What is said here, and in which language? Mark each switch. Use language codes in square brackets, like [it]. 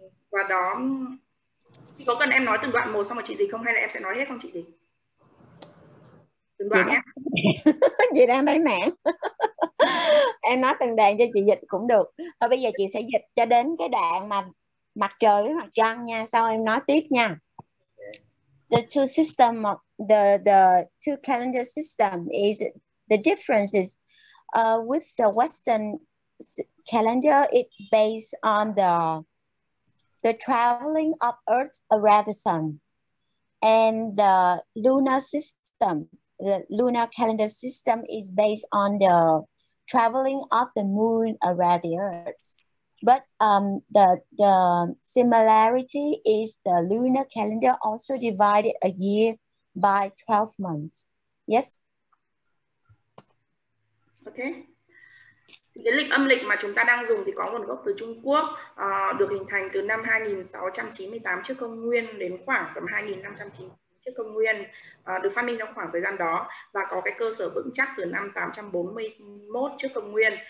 [vi] Và đó, chị có cần em nói từng đoạn một xong rồi chị gì không, hay là em sẽ nói hết không chị gì? Chị đang thấy mẹ. Em nói từng đoạn cho chị dịch cũng được. Thôi bây giờ chị sẽ dịch cho đến cái đoạn mà mặt trời với mặt trăng nha, sau em nói tiếp nha. [en] The two system of the two calendar system is the difference is with the western calendar it based on the traveling of earth around the sun, and the lunar system, the lunar calendar system is based on the traveling of the moon around the earth. But the similarity is the lunar calendar also divided a year by 12 months. Yes? Okay. [vi] Cái lịch âm lịch mà chúng ta đang dùng thì có nguồn gốc từ Trung Quốc, được hình thành từ năm 2698 trước công nguyên đến khoảng tầm 2590 trước công nguyên, được phát minh trong khoảng thời gian đó, và có cái cơ sở vững chắc từ năm 841 trước công nguyên.